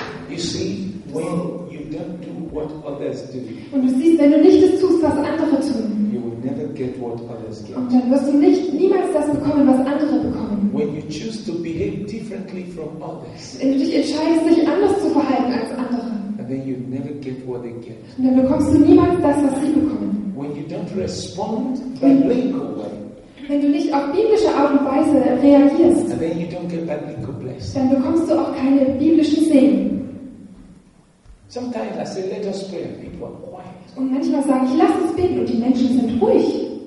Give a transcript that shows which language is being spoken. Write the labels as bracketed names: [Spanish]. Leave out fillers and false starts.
[English] You see, when you don't do what others do. [German] Und du siehst, wenn du nicht das tust, was andere tun. [English] You will never get what others get. [German] Und dann wirst du nicht niemals das bekommen, was andere bekommen. [English] When you choose to behave differently from others. [German] Wenn du dich entscheidest, dich anders zu verhalten als andere. [English] And then you never get what they get. [German] Und dann bekommst du niemals das, was sie bekommen. [English] When you don't respond biblical way. [German] Wenn du nicht auf biblische Art und Weise reagierst. [English] And then you don't get biblical blessings. [German] Dann bekommst du auch keine biblischen Segen. [English] Sometimes I say, let us pray, and people are quiet. [German] Und manchmal sage ich, lass uns beten, und die Menschen sind ruhig.